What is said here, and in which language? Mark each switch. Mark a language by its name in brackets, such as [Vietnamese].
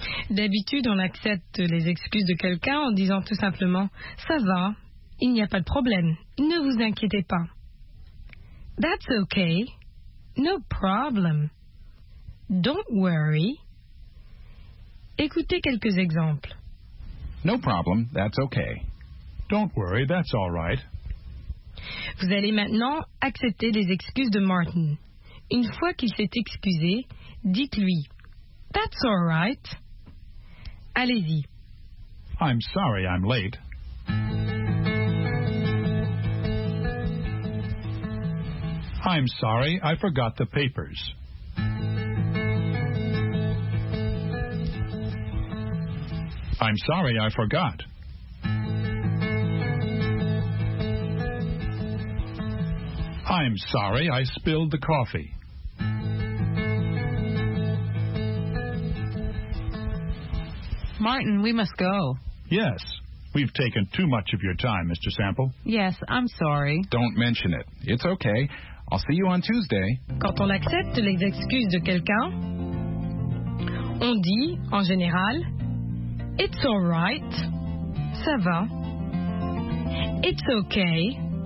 [French] D'habitude, on accepte les excuses de quelqu'un en disant tout simplement « Ça va, il n'y a pas de problème, ne vous inquiétez pas. » « [English] That's okay, no problem, don't worry. [French] » Écoutez quelques exemples. [English] « No problem, that's okay. Don't worry, that's all right. » [French] Vous allez maintenant accepter les excuses de Martin. Une fois qu'il s'est excusé, dites-lui « [English] That's all right. [French] » Allez-y. [English] I'm sorry I'm late. I'm sorry I forgot the papers. I'm sorry I forgot. I'm sorry I spilled the coffee. Martin, we must go. Yes. We've taken too much of your time, Mr. Sample. Yes, I'm sorry. Don't mention it. It's okay. I'll see you on Tuesday. [French] Quand on accepte les excuses de quelqu'un, on dit, en général, [English] It's all right. [French] Ça va. [English] It's okay.